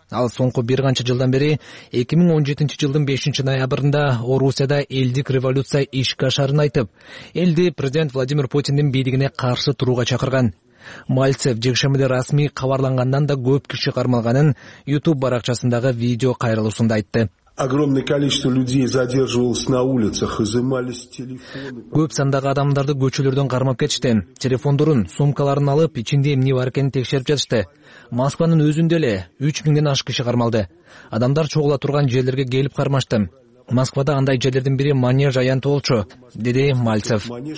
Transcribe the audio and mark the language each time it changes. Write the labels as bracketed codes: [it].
[ky] Ал соңку бир канча жылдан бери 2017-жылдын 5 ноябрында Орусияда элдик революция ишке ашарын айтып, элди президент Владимир Путиндин бийлигине каршы турууга чакырган. Мальцев жекшембиде расмий кабарлангандан да көп киши кармалганын YouTube баракчасындагы видео кайрылуусунда айтты. [ru] Огромное количество людей задерживалось на улицах, изымались телефоны. [ky] Көп сандагы адамдарды көчөлөрдөн кармап кетишти. Телефондорун, сумкаларын алып, ичинде эмне бар экенин текшерип жатышты. Москванын өзүндө эле 3000 ашык киши кармалды. Адамдар чогула турган жерлерге келип кармашты. Москвада андай жерлердин бири манеж аянты болчу, деди Мальцев.